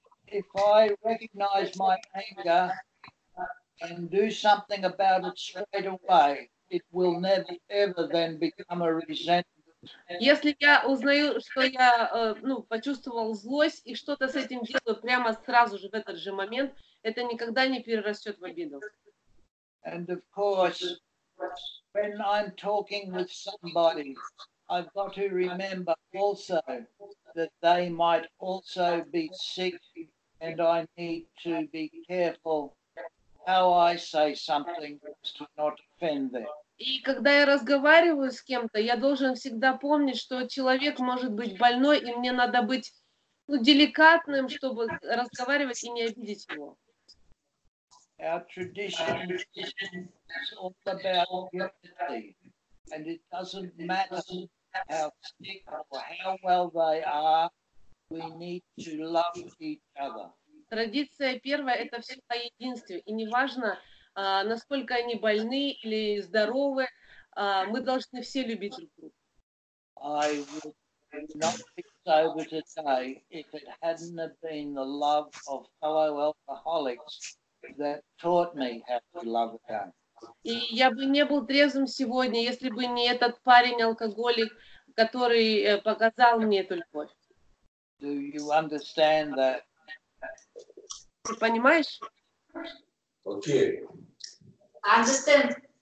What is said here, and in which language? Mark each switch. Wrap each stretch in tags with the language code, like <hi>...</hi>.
<en>If I recognize my anger and do something about it straight away, it will never ever then become a resentment.</en> <ru>Если я узнаю, что я почувствовал злость и что-то с этим делаю прямо сразу же в этот же момент, это никогда не перерастет в обиду.</ru> <en>And of course, when I'm talking with somebody, I've got to remember also that they might also be sick, and I need to be careful how I say something to not offend them.</en> <ru>И когда я разговариваю с кем-то, я должен всегда помнить, что человек может быть больной, и мне надо быть деликатным, чтобы разговаривать и не обидеть его.</ru> <en>Our tradition is all about empathy, and it doesn't matter how sick or how well they are. We need to love each other.</en> <ru>Традиция первая – это все о единстве, и неважно, насколько они больны или здоровы, мы должны все любить друг друга.</ru> <en>I would not be sober today if it hadn't been the love of fellow alcoholics that taught me how to love again.</en> <ru>И я бы не был трезвым сегодня, если бы не этот парень-алкоголик, который показал мне эту любовь.</ru> <en>Do you understand that?</en> <ru>Ты понимаешь? Окей.</ru> <en>Okay. Understand.</en>